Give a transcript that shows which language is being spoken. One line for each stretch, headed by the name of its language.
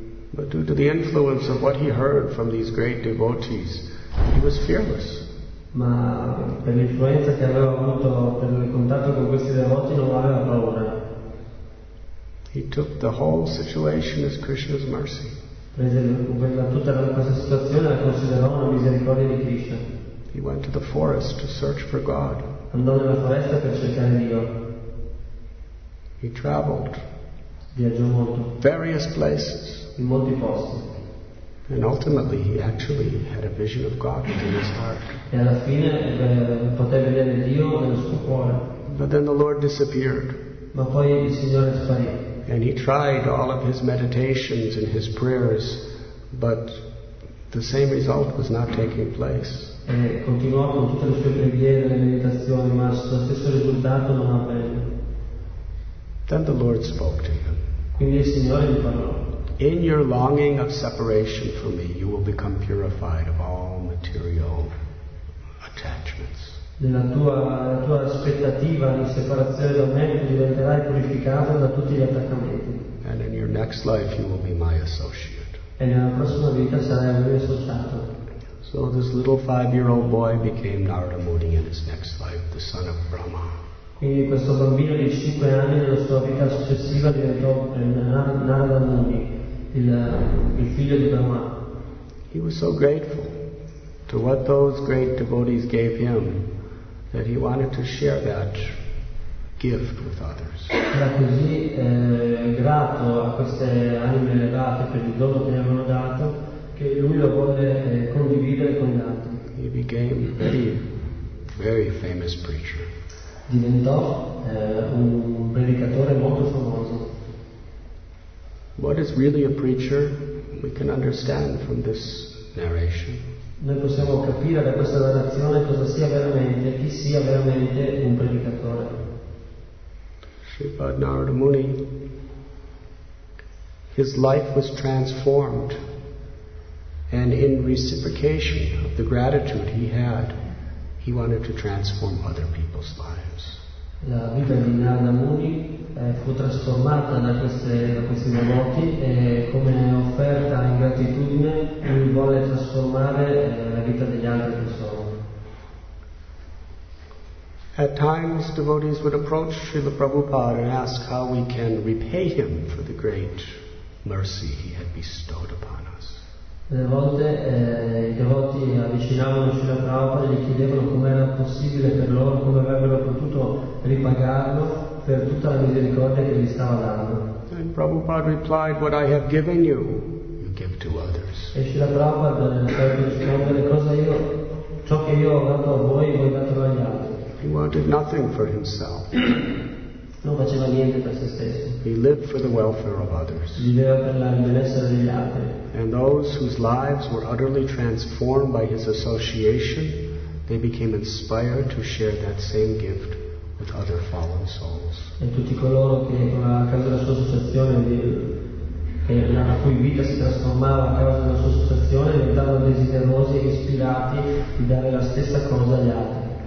English: But due to the influence of what he heard from these great devotees, he was fearless.
Italian: Ma per l'influenza che aveva avuto per il contatto con questi devoti non aveva paura.
English: He took the whole situation as Krishna's mercy.
Italian: Prese tutta questa situazione e la considerò una misericordia di Krishna.
English: He went to the forest to search for God.
Italian: Andò nella foresta per cercare Dio.
English: He traveled.
Italian: Viaggiò molto.
English: Various places.
Italian: In molti posti.
English: And ultimately, he actually had a vision of God in his heart.
Italian: E alla fine poté vedere Dio nel suo cuore.
English: But then the Lord disappeared.
Italian: Ma poi il Signore sparì.
English: And he tried all of his meditations and his prayers, but the same result was not taking place.
Italian: E continuò con tutte le sue preghiere e le meditazioni, ma lo stesso risultato non avvenne.
English: Then the Lord spoke to him.
Italian: Quindi il Signore gli parlò.
English: In your longing of separation from me, you will become purified of all material attachments.
Italian: Nella tua aspettativa di separazione da me, tu diventerai purificato da tutti gli attaccamenti.
English: And in your next life, you will be my associate.
Italian: E nella prossima vita sarai un mio associato.
English: So this little 5-year-old boy became Narada Muni in his next life, the son of Brahma.
Italian: Quindi questo bambino di 5 anni nella sua vita successiva diventò Narada Muni, il figlio di Brahma.
English: He was so grateful to what those great devotees gave him that he wanted to share that gift with others.
Italian: Era così grato a queste anime elevate per il dono che gli avevano dato che lui lo vuole condividere con gli altri.
English: He became a very, very famous preacher.
Italian: Diventò un predicatore molto famoso.
English: What is really a preacher? We can understand from this narration.
Italian: Noi possiamo capire da questa narrazione cosa sia veramente, chi sia veramente un predicatore.
English: Shripad Narada Muni His life was transformed, and in reciprocation of the gratitude he had, he wanted to transform other people's lives.
Italian: La vita di Narada Muni fu trasformata da questi devoti e come offerta in gratitudine lui vuole trasformare la vita degli altri persone.
English: At times devotees would approach Srila Prabhupada and ask how we can repay him for the great mercy he had bestowed upon us.
Italian: Delle volte i devoti avvicinavano Srila Prabhupada e gli chiedevano come era possibile per loro, come avrebbero potuto ripagarlo per tutta la misericordia che gli stava dando.
English: And Prabhupada replied, "What I have given you, you give to others."
Italian: E Srila Prabhupada rispose, "Cosa io, ciò che io ho dato a voi, voi datelo agli altri."
English: He wanted nothing for himself.
Italian: Non faceva niente per se stesso.
English: He lived for the welfare of others.
Italian: Viveva per la benessere degli altri.
English: And those whose lives were utterly transformed by his association, they became inspired to share that same gift with other fallen souls.
Italian: E tutti coloro che con la causa della sua associazione, che la cui vita si trasformava a causa della sua associazione, diventavano desiderosi e ispirati di dare la stessa cosa agli altri.